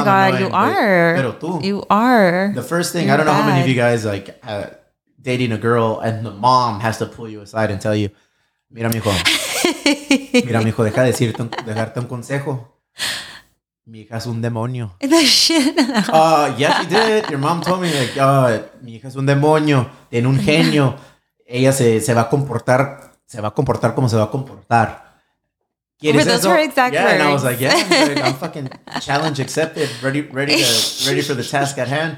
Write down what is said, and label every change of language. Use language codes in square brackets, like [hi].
[en] Oh my God, you are. [es] Pero tú. [en] You are. The first thing, I don't know how many of you guys like dating a girl and the mom has to pull you aside and tell you, [es] mira mijo, deja de darte un consejo. Mi hija es un demonio. [en] The shit. Yeah, she did. Your mom told me like, [es] mi hija es un demonio, tiene un genio. Ella se va a comportar como se va a comportar. [en] Were those her exact words? Yeah, and I was like, yeah, I'm fucking challenge accepted, ready for the task at hand.